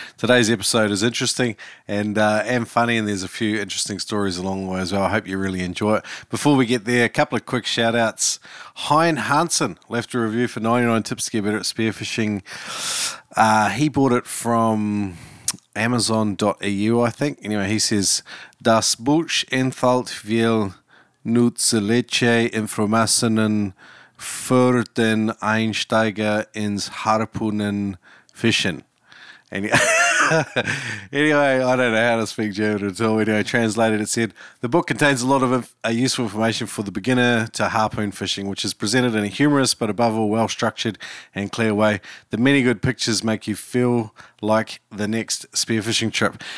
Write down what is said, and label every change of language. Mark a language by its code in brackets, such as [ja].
[en] Today's episode is interesting and funny, and there's a few interesting stories along the way as well. I hope you really enjoy it. Before we get there, a couple of quick shout-outs. Hein Hansen left a review for 99 Tips to Get Better at Spearfishing. He bought it from Amazon.eu, I think. Anyway, he says, [de] Das Buch enthält viel nützliche Informationen für den Einsteiger ins Harpunen Fishing. [en] Anyway, I don't know how to speak German at all. Anyway, translated, it said, the book contains a lot of useful information for the beginner to harpoon fishing, which is presented in a humorous but above all well-structured and clear way. The many good pictures make you feel like the next spearfishing trip.